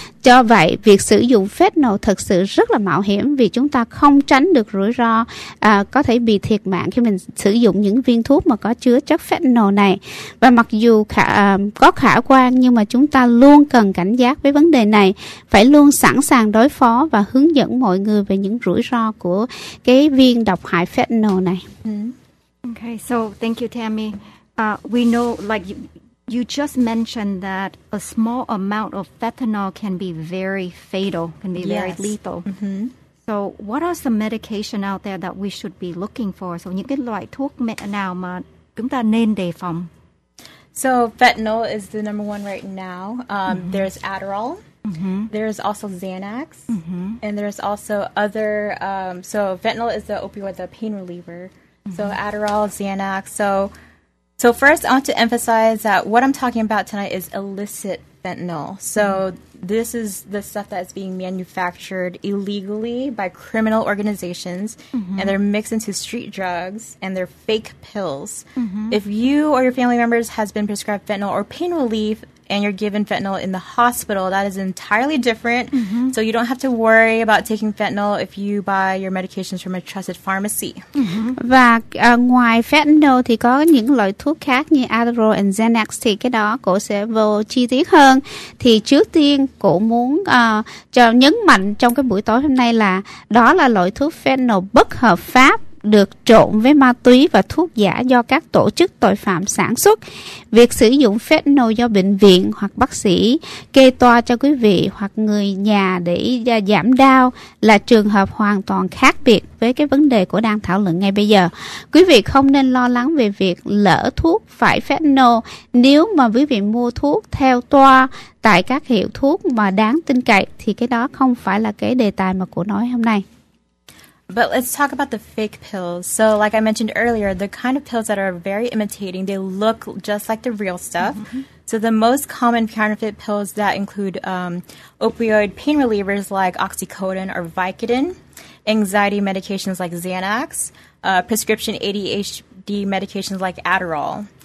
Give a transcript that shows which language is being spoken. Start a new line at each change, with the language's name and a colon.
Vietnamese: Cho vậy việc sử dụng fentanyl thật sự rất là mạo hiểm, vì chúng ta không tránh được rủi ro có thể bị thiệt mạng khi mình sử dụng những viên thuốc mà có chứa chất fentanyl này. Và mặc dù có khả quan, nhưng mà chúng ta luôn cần cảnh giác với vấn đề này, phải luôn sẵn sàng đối phó và hướng dẫn mọi người về những rủi ro của cái viên độc hại fentanyl này.
English: Okay, so thank you, Tammy. We know, like you just mentioned, that a small amount of fentanyl can be very fatal, can be very lethal. Mm-hmm. So what are some medication out there that we should be looking for?
Vietnamese: So những cái loại thuốc nào mà chúng ta nên đề phòng?
English: So fentanyl is the number one right now. There's Adderall. Mm-hmm. There is also Xanax, mm-hmm. and there is also other. So fentanyl is the opioid, the pain reliever. Mm-hmm. So Adderall, Xanax. So first, I want to emphasize that what I'm talking about tonight is illicit fentanyl. So this is the stuff that is being manufactured illegally by criminal organizations, mm-hmm. and they're mixed into street drugs and they're fake pills. Mm-hmm. If you or your family members has been prescribed fentanyl or pain relief, and you're given fentanyl in the hospital, that is entirely different. Mm-hmm. So you don't have to worry about taking fentanyl if you buy your medications from a trusted pharmacy. Mm-hmm.
Vietnamese: Và ngoài fentanyl thì có những loại thuốc khác như Adderall and Xanax, thì cái đó cổ sẽ vô chi tiết hơn. Thì trước tiên cổ muốn cho nhấn mạnh trong cái buổi tối hôm nay là đó là loại thuốc fentanyl bất hợp pháp, được trộn với ma túy và thuốc giả do các tổ chức tội phạm sản xuất. Việc sử dụng fentanyl do bệnh viện hoặc bác sĩ kê toa cho quý vị hoặc người nhà để giảm đau là trường hợp hoàn toàn khác biệt với cái vấn đề của đang thảo luận ngay bây giờ. Quý vị không nên lo lắng về việc lỡ thuốc phải fentanyl nếu mà quý vị mua thuốc theo toa tại các hiệu thuốc mà đáng tin cậy, thì cái đó không phải là cái đề tài mà cô nói hôm nay.
English: But let's talk about the fake pills. So like I mentioned earlier, the kind of pills that are very imitating, they look just like the real stuff. Mm-hmm. So the most common counterfeit pills that include opioid pain relievers like oxycodone or Vicodin, anxiety medications like Xanax, prescription ADHD medications like Adderall.